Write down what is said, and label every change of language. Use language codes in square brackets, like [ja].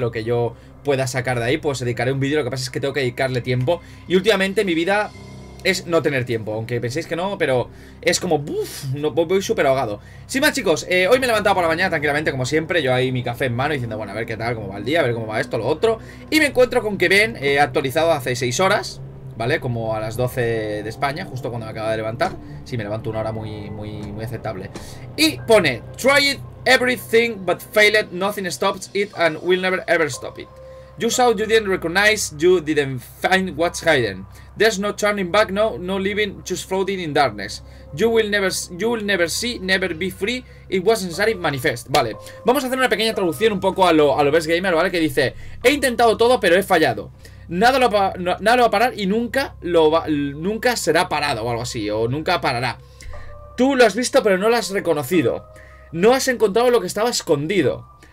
[es] Lo que yo pueda sacar de ahí, pues dedicaré un vídeo. Lo que pasa es que tengo que dedicarle tiempo, y últimamente mi vida es no tener tiempo, aunque penséis que no, pero es como, voy súper ahogado. Sin más, chicos, hoy me he levantado por la mañana tranquilamente, como siempre, yo ahí mi café en mano, diciendo, bueno, a ver qué tal, cómo va el día, a ver cómo va esto, lo otro. Y me encuentro con que Ben actualizado hace 6 horas, ¿vale? Como a las 12 de España, justo cuando me acaba de levantar. Sí, me levanto una hora muy, muy, muy aceptable. [en] Y pone, try it everything but fail it, nothing stops it and will never ever stop it. You saw, you didn't recognize, you didn't find what's hidden. There's no turning back, no living, just floating in darkness. You will never see, never be free, it was necessary, manifest. [es] Vale, vamos a hacer una pequeña traducción un poco a lo Best Gamer, ¿vale? Que dice, he intentado todo, pero he fallado. Nada lo va a parar y nunca será parado o algo así, o nunca parará. Tú lo has visto, pero no lo has reconocido. No has encontrado lo que estaba escondido.